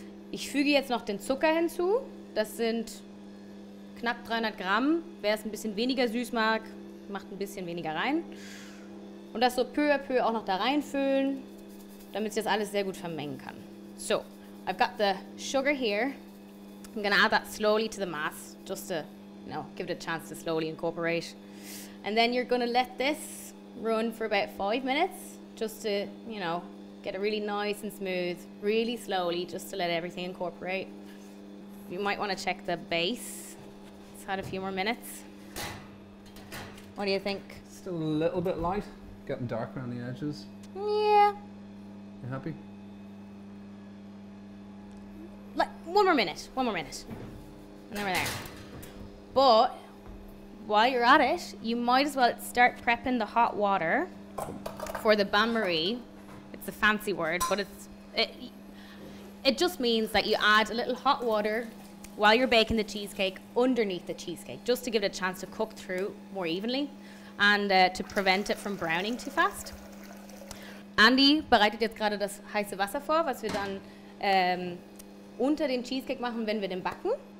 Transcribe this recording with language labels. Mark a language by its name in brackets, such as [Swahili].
[German] Ich füge jetzt noch den Zucker hinzu. Das sind knapp 300 Gramm. Wer es ein bisschen weniger süß mag, macht ein bisschen weniger rein. Und das so peu à peu auch noch da reinfüllen, damit sich das alles sehr gut vermengen kann. [English] So, I've got the sugar here. I'm gonna add that slowly to the mass, just to, you know, give it a chance to slowly incorporate. And then you're gonna let this run for about 5 minutes, just to, you know, get it really nice and smooth, really slowly, just to let everything incorporate. You might want to check the base. It's had a few more minutes. What do you think? Still a little bit light, getting dark around the edges. Yeah. You happy? One more minute. And then we're there. But while you're at it, you might as well start prepping the hot water for the bain-marie. It's a fancy word, but it just means that you add a little hot water while you're baking the cheesecake underneath the cheesecake, just to give it a chance to cook through more evenly and to prevent it from browning too fast. [German] Andy bereitet jetzt gerade das heiße Wasser vor, was wir dann unter den Cheesecake machen, wenn wir den backen.